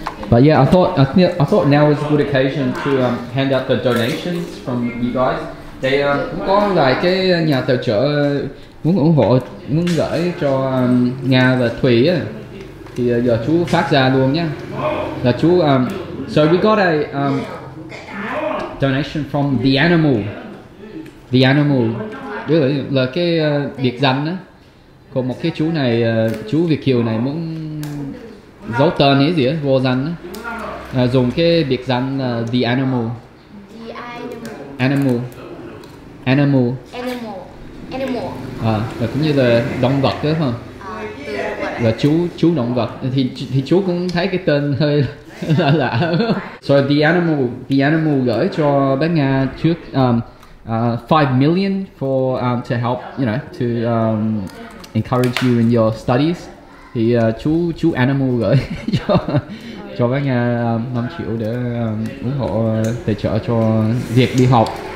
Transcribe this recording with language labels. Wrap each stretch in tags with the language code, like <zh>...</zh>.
<en>But yeah, I thought now was a good occasion to hand out the donations from you guys.</en> <vi>They cũng có vài cái nhà tài trợ muốn ủng hộ, muốn gửi cho Nga và Thủy á. Thì giờ chú phát ra luôn nhá. Là chú</vi> <en>so we got a donation from The Animal. The Animal.</en> <vi>Đó là cái biệt danh á. Còn một cái chú này, chú Việt Kiều này muốn giấu tên ấy gì á, vô danh á. Dùng cái biệt danh là The Animal.</vi> <en>The Animal. Animal. Animal. Animal.</en> <vi>À, cũng như là động vật đó hả? Là chú động vật thì chú cũng thấy cái tên hơi lạ lạ.</vi> <en>So the animal</en> <vi>gửi cho bác Nga trước</vi> <en>5 million for to help, you know, to encourage you in your studies.</en> <vi>Thì chú animal gửi cho bác Nga 5 triệu để ủng hộ tài trợ cho việc đi học.</vi>